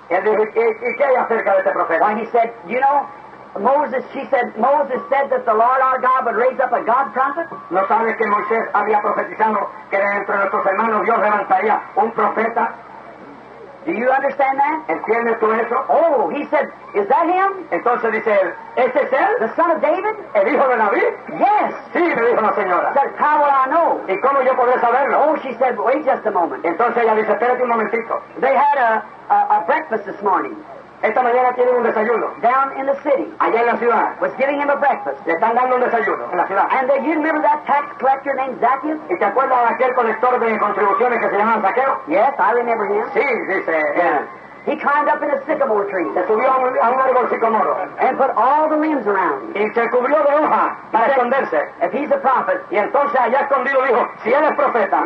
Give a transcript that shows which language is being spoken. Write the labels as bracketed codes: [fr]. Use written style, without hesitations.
[en] Why, he said, you know, Moses, she said, Moses said that the Lord our God would raise up a God prophet? [es] ¿No sabes que Moisés había profetizado que de entre nuestros hermanos Dios levantaría un profeta? [en] Do you understand that? [es] ¿Entiendes tú eso? [en] Oh, he said, is that him? [es] Entonces dice él, ¿ese es él? [en] The son of David? [es] ¿El hijo de David? [en] Yes. [es] Sí, me dijo la señora. [en] Said, how will I know? [es] ¿Y cómo yo podré saberlo? [en] Oh, she said, wait just a moment. [es] Entonces ella dice, espérate un momentito. [en] They had a breakfast this morning. [es] Esta mañana tienen un desayuno. [en] Down in the city. [es] Allá en la ciudad. [en] Was giving him a breakfast. [es] Le están dando un desayuno en la ciudad. [en] And you remember that tax collector named Zacchaeus? [es] ¿Y te acuerdas de aquel colector de contribuciones que se llamaba Zaqueo? [en] Yes, I remember him. [es] Sí, dice. Sí, yeah. [en] He climbed up in a sycamore tree. [es] Se subió a un árbol sicomoro. [en] And put all the limbs around. [es] Y se cubrió de hoja para esconderse. [en] If he's a prophet. [es] Y entonces allá escondido dijo, si él es profeta.